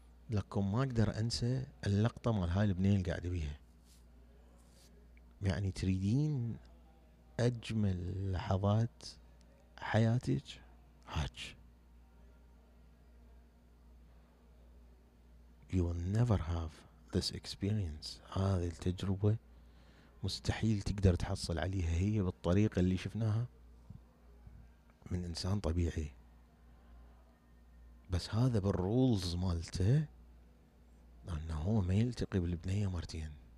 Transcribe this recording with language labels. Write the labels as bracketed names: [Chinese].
[Arabic] لكم ما اقدر انسى اللقطة مال هاي البنين اللي قاعدة بيها. يعني تريدين اجمل لحظات حياتك هاج. [English] You will never have this experience. [Arabic] هذه التجربة مستحيل تقدر تحصل عليها هي بالطريقة اللي شفناها من انسان طبيعي. بس هذا بالرولز مالته انه هو ما يلتقي بالبنية مرتين.